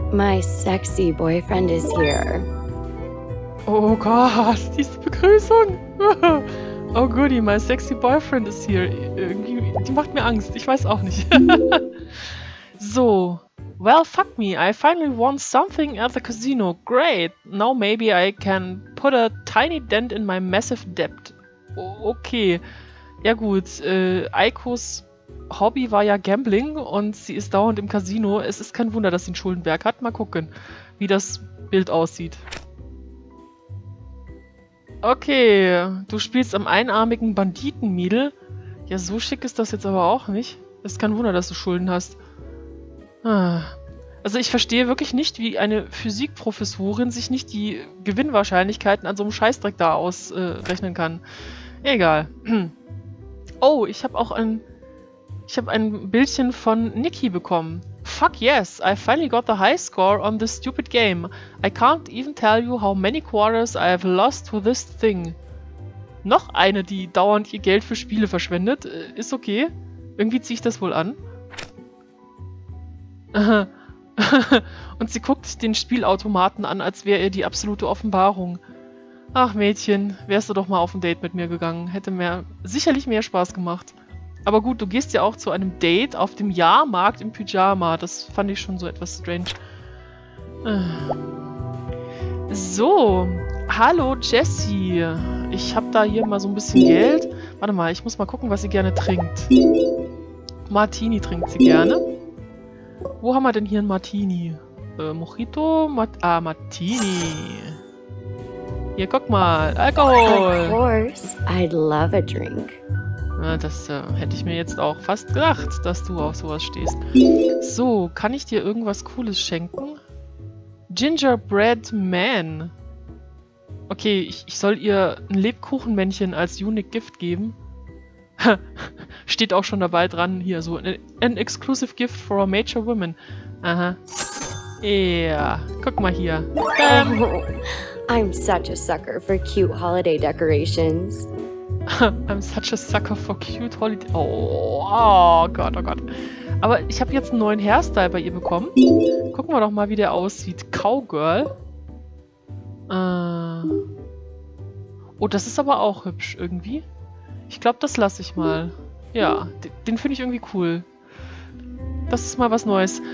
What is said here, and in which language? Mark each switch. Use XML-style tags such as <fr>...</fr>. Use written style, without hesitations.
<en>My sexy boyfriend is here.</en> <de>Oh Gott, diese Begrüßung.</de> <en>Oh goody, my sexy boyfriend is here.</en> <de>Irgendwie, die macht mir Angst. Ich weiß auch nicht. So.</de> <en>Well, fuck me. I finally won something at the casino. Great. Now maybe I can put a tiny dent in my massive debt.</en> <de>Okay. Ja gut. Aikos Hobby war ja Gambling und sie ist dauernd im Casino. Es ist kein Wunder, dass sie einen Schuldenberg hat. Mal gucken, wie das Bild aussieht. Okay, du spielst am einarmigen Banditenmädel. Ja, so schick ist das jetzt aber auch nicht. Es ist kein Wunder, dass du Schulden hast. Also ich verstehe wirklich nicht, wie eine Physikprofessorin sich nicht die Gewinnwahrscheinlichkeiten an so einem Scheißdreck da ausrechnen kann. Egal. Oh, ich habe ein Bildchen von Nikki bekommen.</de> <en>Fuck yes, I finally got the high score on this stupid game. I can't even tell you how many quarters I have lost to this thing.</en> <de>Noch eine, die dauernd ihr Geld für Spiele verschwendet. Ist okay. Irgendwie ziehe ich das wohl an. Und sie guckt den Spielautomaten an, als wäre ihr die absolute Offenbarung. Ach Mädchen, wärst du doch mal auf ein Date mit mir gegangen. Hätte mir sicherlich mehr Spaß gemacht. Aber gut, du gehst ja auch zu einem Date auf dem Jahrmarkt im Pyjama. Das fand ich schon so etwas strange. So, hallo Jessie. Ich habe da hier mal so ein bisschen Geld. Warte mal, ich muss mal gucken, was sie gerne trinkt. Martini trinkt sie gerne. Wo haben wir denn hier ein Martini? Mojito? Martini. Hier, guck mal. Alkohol.</de> <en>Of course, I'd love a drink.</en> <de>Das hätte ich mir jetzt auch fast gedacht, dass du auf sowas stehst. So, kann ich dir irgendwas Cooles schenken? Gingerbread Man. Okay, ich soll ihr ein Lebkuchenmännchen als Unique Gift geben. Steht auch schon dabei dran hier, so</de> <en>an exclusive gift for a major woman.</en> <de>Aha. Yeah, guck mal hier.</de> <en>Oh, I'm such a sucker for cute holiday decorations. I'm such a sucker for cute holiday...</en> <de>Oh Gott. Aber ich habe jetzt einen neuen Hairstyle bei ihr bekommen. Gucken wir doch mal, wie der aussieht. Cowgirl. Oh, das ist aber auch hübsch irgendwie. Ich glaube, das lasse ich mal. Ja, den finde ich irgendwie cool. Das ist mal was Neues.</de>